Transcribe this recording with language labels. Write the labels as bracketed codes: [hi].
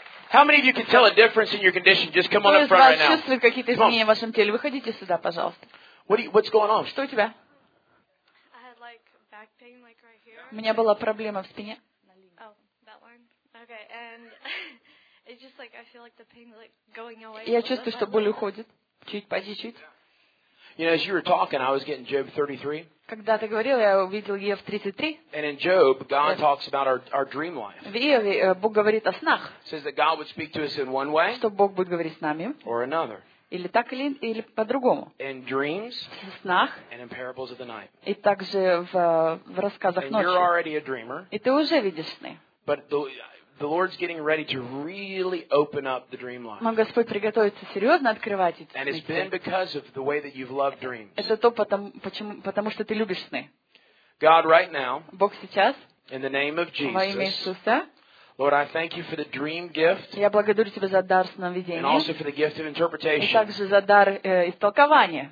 [en] How many of you can tell a difference in your condition? Just come on up front right now. [ru] Чувствуете какие-то изменения в вашем теле? Выходите сюда, пожалуйста. [en] What's going on? [ru] Что у тебя? [en] I had like back pain like right here. [ru] У меня была проблема в спине. [en] Okay, and it's just like I feel like the pain like going away. [ru] Я чувствую, что боль уходит. Чуть по чуть-чуть. [en] You know, as you were talking, I was getting Job 33. [ru] Когда ты говорил, я увидел Иов 33. [en] And in Job, God talks about our dream life. [ru] В Иове Бог говорит о снах. [en] Says that God would speak to us in one way. [ru] Что Бог будет говорить с нами. [en] Or another. [ru] Или так или по-другому. [en] In dreams. [ru] В снах. [en] And in parables of the night. [ru] И также в рассказах ночи. [en] And you're already a dreamer. [ru] И ты уже видишь сны. [en] But the Lord's getting ready to really open up the dream life. [ru] Мой Господь приготовится серьезно открывать эти сны. [en] And it's been because of the way that you've loved dreams. [ru] Это то, потому что ты любишь сны. [en] God, right now. [ru] Бог сейчас. [en] In the name of Jesus. [ru] Во имя Иисуса. [en] Lord, I thank you for the dream gift. [ru] Я благодарю тебя за дар сновидения. [en] And also for the gift of interpretation. [ru] И также за дар истолкования.